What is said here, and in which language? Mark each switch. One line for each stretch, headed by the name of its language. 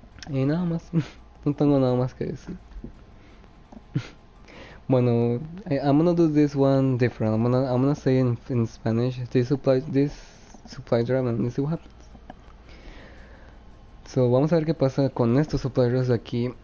Spanish: Y nada más, no tengo nada más que decir.
English: Bueno, I'm gonna do this one different. I'm gonna say in Spanish this supply drop and see what happens.
Spanish: So vamos a ver qué pasa con estos supply drops de aquí.